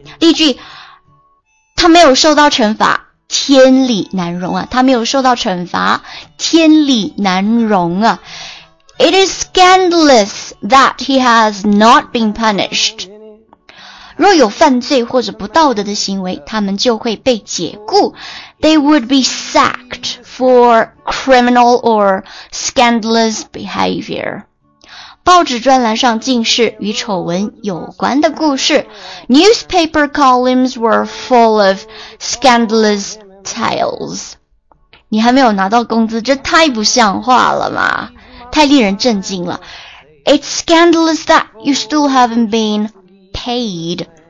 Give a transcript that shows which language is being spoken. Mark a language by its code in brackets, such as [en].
[zh] 例句。他没有受到惩罚，天理难容啊！他没有受到惩罚，天理难容啊 ！ [en] It is scandalous that he has not been punished. [zh] 若有犯罪或者不道德的行为，他们就会被解雇。 [en] They would be sacked for criminal or scandalous behavior. [zh] 报纸专栏上尽是与丑闻有关的故事。 [en] Newspaper columns were full of scandalous tales. [zh] 你还没有拿到工资，这太不像话了嘛，太令人震惊了。 [en] It's scandalous that you still haven't been paid.